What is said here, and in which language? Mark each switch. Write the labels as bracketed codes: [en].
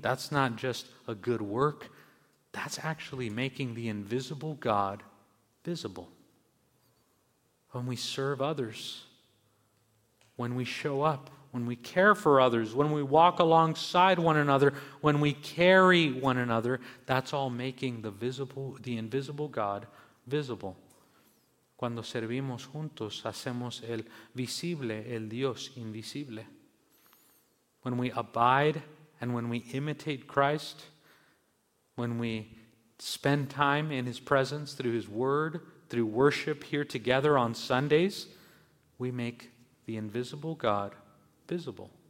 [en] That's not just a good work. That's actually making the invisible God visible. When we serve others, when we show up, when we care for others, when we walk alongside one another, when we carry one another, that's all making the invisible God visible. [es] Cuando servimos juntos, hacemos el visible, el Dios invisible. [en] When we abide and when we imitate Christ, when we spend time in his presence through his word, through worship here together on Sundays, we make the invisible God visible.